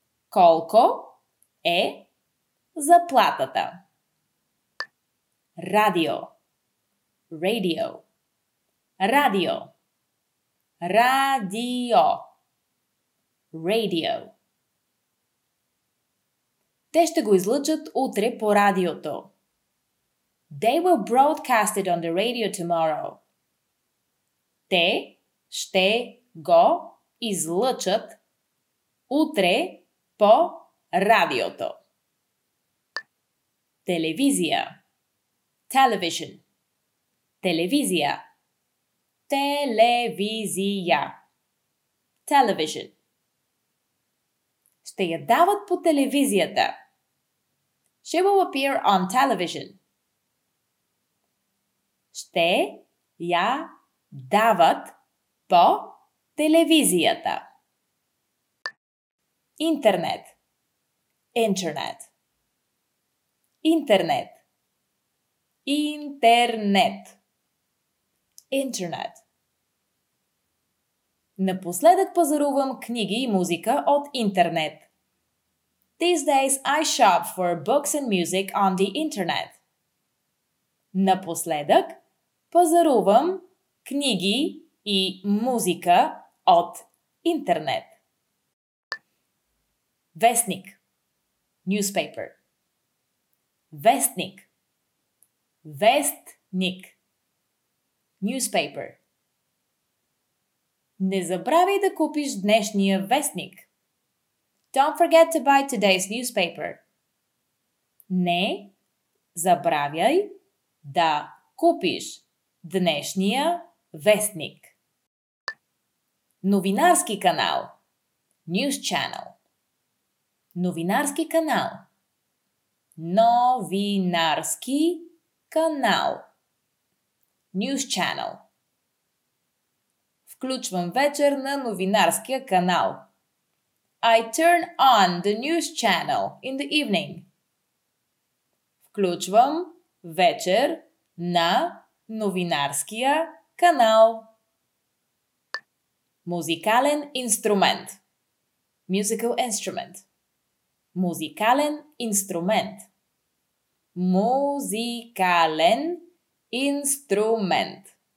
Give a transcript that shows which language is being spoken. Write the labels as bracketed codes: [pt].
[bg] Колко е заплатата? Радио. Radio. Радио. Радио. Radio. Те ще го излъчат утре по радиото. [en] They will broadcast it on the radio tomorrow. [bg] Те ще го излъчат утре по радиото. Телевизия. Television. Телевизия. Телевизия. Television. Ще я дават по телевизията. [en] She will appear on television. [bg] Ще я дават по телевизията. Интернет. Интернет. Интернет. Интернет. Интернет. Напоследък пазарувам книги и музика от интернет. [en] These days I shop for books and music on the internet. [bg] Напоследък пазарувам книги и музика от интернет. Вестник. Newspaper. Вестник. Вестник. Newspaper. Не забравяй да купиш днешния вестник. [en] Don't forget to buy today's newspaper. [bg] Не забравяй да купиш днешния вестник. Новинарски канал. [en] News channel. [bg] Новинарски канал. Новинарски канал. [en] News channel. [bg] Включвам вечер на новинарския канал. [en] I turn on the news channel in the evening. [bg] Включвам вечер на новинарския канал. Музикален инструмент. [en] Musical instrument. [bg] Музикален инструмент. Музикален инструмент.